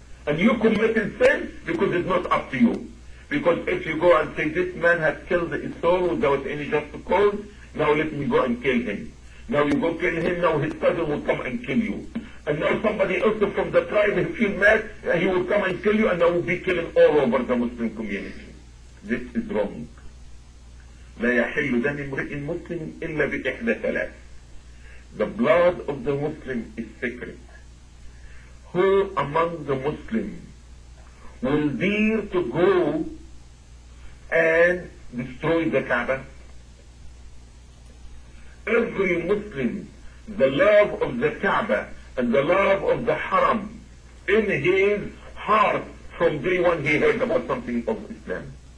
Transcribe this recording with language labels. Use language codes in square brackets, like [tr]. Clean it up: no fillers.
[en] And you committed sin because it's not up to you. Because if you go and say, this man has killed his soul without any just cause, now let me go and kill him. Now you go kill him, now his cousin will come and kill you. And now somebody else from the tribe will feel mad, and he will come and kill you, and I will be killing all over the Muslim community. This is wrong. [ar] لا يحل دم امرئ مسلم إلا بإحدى ثلاث. [en] The blood of the Muslim is sacred. Who among the Muslim will dare to go and destroy the Kaaba? Every Muslim, the love of the Kaaba and the love of the Haram in his heart from day one he heard about something of Islam.